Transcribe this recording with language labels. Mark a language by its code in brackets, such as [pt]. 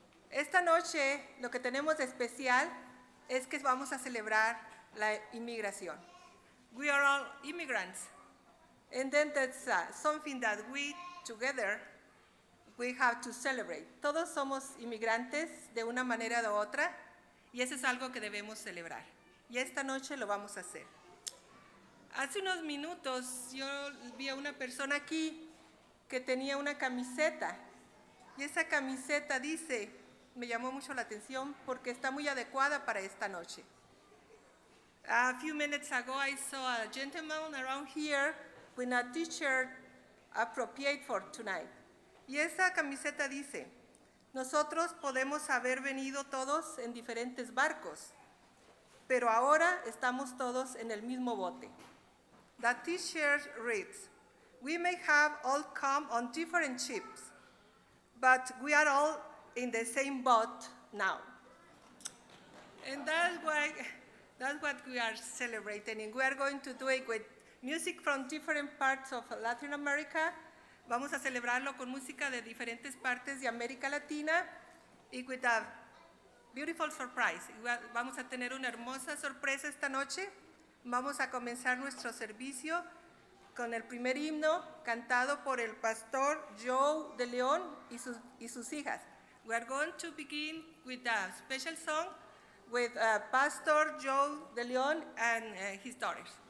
[es] Esta noche, lo que tenemos de especial es que vamos a celebrar la inmigración. [en] We are all immigrants. And then that's something that we, together, we have to celebrate. [es] Todos somos inmigrantes de una manera u otra, y eso es algo que debemos celebrar. Y esta noche lo vamos a hacer. Hace unos minutos, yo vi a una persona aquí que tenía una camiseta, y esa camiseta dice, me llamó mucho la atención, porque está muy adecuada para esta noche. [en] A few minutes ago, I saw a gentleman around here with a t-shirt appropriate for tonight. [es] Y esa camiseta dice, nosotros podemos haber venido todos en diferentes barcos, pero ahora estamos todos en el mismo bote. [en] That t-shirt reads, we may have all come on different ships, but we are all in the same boat now. And that's what we are celebrating, and we are going to do it with music from different parts of Latin America. [es] Vamos a celebrarlo con música de diferentes partes de América Latina, y [en] with a beautiful surprise. [es] Vamos a tener una hermosa sorpresa esta noche. Vamos a comenzar nuestro servicio con el primer himno cantado por el pastor Joe de León y sus hijas. [en] We are going to begin with a special song with Pastor Joe de León and his daughters.